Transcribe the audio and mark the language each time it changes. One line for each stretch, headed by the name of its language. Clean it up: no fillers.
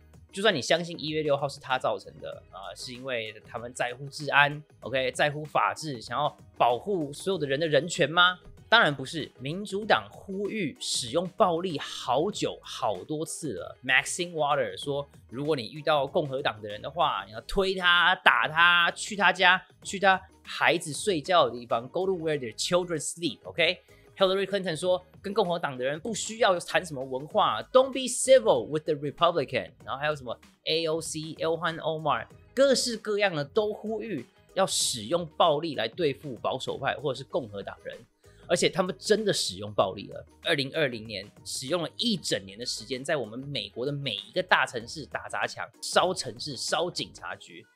Chinese: 就算你相信1月6号是他造成的，是因为他们在乎治安 ，OK， 在乎法治，想要保护所有的人的人权吗？当然不是，民主党呼吁使用暴力好久好多次了。 Maxine Waters 说，如果你遇到共和党的人的话，你要推他、打他、去他家、去他孩子睡觉的地方 ，
English: go to where their children sleep。
Chinese: OK， Hillary Clinton 说，跟共和党的人不需要谈什么文化 ，
English: don't be civil with the Republican。
Chinese: 然后还有什么 AOC、Ilhan Omar， 各式各样的都呼吁要使用暴力来对付保守派或者是共和党人。而且他们真的使用暴力了。2020年使用了一整年的时间，在我们美国的每一个大城市打砸抢、烧城市、烧警察局。